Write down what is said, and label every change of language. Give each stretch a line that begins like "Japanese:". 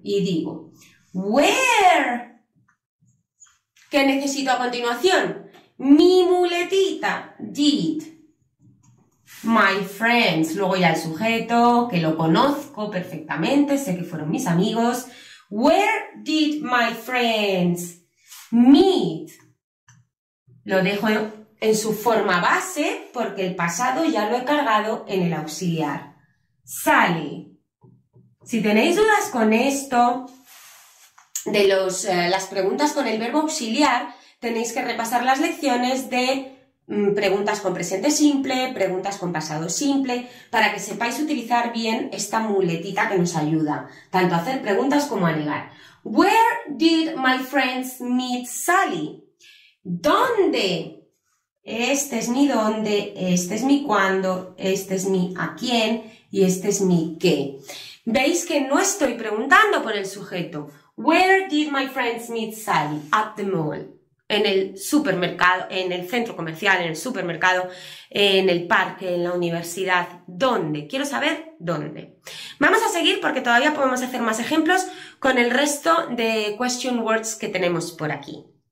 Spanish: Y digo, where. ¿Qué necesito a continuación? Mi muletita, did.
English: My friends,
Spanish: luego ya el sujeto, que lo conozco perfectamente, sé que fueron mis amigos.
English: Where did my friends meet?
Spanish: Lo dejo en su forma base porque el pasado ya lo he cargado en el auxiliar. Sally. Si tenéis dudas con esto, de las preguntas con el verbo auxiliar, tenéis que repasar las lecciones de preguntas con presente simple, preguntas con pasado simple, para que sepáis utilizar bien esta muletita que nos ayuda tanto a hacer preguntas como a negar.
English: Where did my friends meet Sally?
Spanish: ¿Dónde? Este es mi dónde, este es mi cuándo, este es mi a quién y este es mi qué. ¿Veis que no estoy preguntando por el sujeto?
English: Where did my friends meet Sally? At the mall.
Spanish: En el supermercado, en el centro comercial, en el supermercado, en el parque, en la universidad. ¿Dónde? Quiero saber dónde. Vamos a seguir porque todavía podemos hacer más ejemplos con el resto de question words que tenemos por aquí.